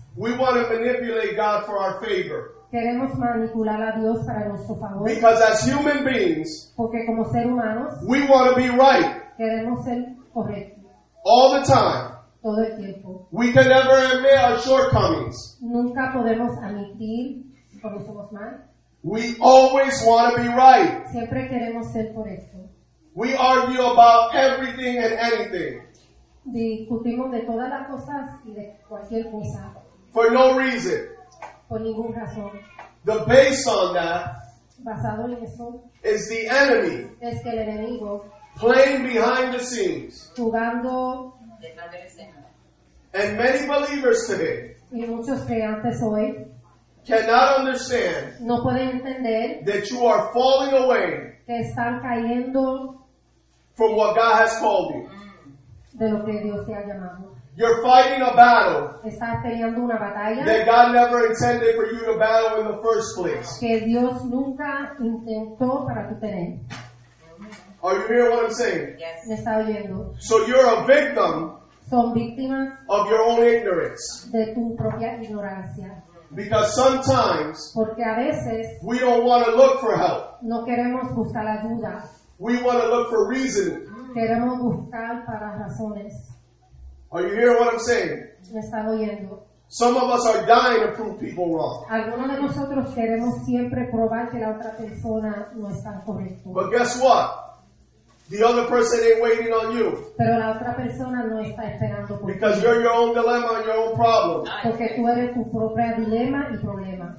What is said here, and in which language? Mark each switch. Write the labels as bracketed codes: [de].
[en] We want to manipulate God for our favor. [es] Queremos manipular a Dios para nuestro favor. [en] Because as human beings, [es] porque como ser humanos, [en] we want to be right. [es] Queremos ser correctos. [en] All the time. [es] Todo el tiempo. [en] We can never admit our shortcomings. [es] Nunca podemos admitir cuando somos mal. [en] We always want to be right. [es] Siempre queremos ser correctos. [en] We argue about everything and anything. [es] Discutimos de todas las cosas y de cualquier cosa. [en] For no reason. [es] Por ninguna razón. [en] The base on that, [es] basado en eso, [en] is the enemy. [es] Es que el enemigo, [en] playing behind the scenes. [es] Jugando detrás de la escena. [en] And many believers today, [es] y muchos creyentes hoy, [en] cannot understand, [es] no pueden entender, [en] that you are falling away, [es] que están cayendo, [en] from what God has called you. [es] De lo que Dios te ha llamado. [en] You're fighting a battle. [es] Estás peleando una batalla. [en] That God never intended for you to battle in the first place. [es] Que Dios nunca intentó para tu tener. [en] Are you hearing what I'm saying? Yes. [es] Me está oyendo. [en] So you're a victim. [es] Son víctimas. [en] Of your own ignorance. [es] De tu propia ignorancia. [en] Because sometimes. [es] Porque a veces. [en] We don't want to look for help. [es] No queremos buscar ayuda. [en] We want to look for reason. [es] Queremos buscar para razones. [en] Are you hearing what I'm saying? [es] Me está oyendo. [en] Some of us are dying to prove people wrong. [es] Algunos de nosotros queremos siempre probar que la otra persona no está correcto. [en] But guess what? The other person ain't waiting on you. [es] Pero la otra persona no está esperando por ti. [en] Because you're your own dilemma and your own problem. [es] Porque tú eres tu propio dilema y problema.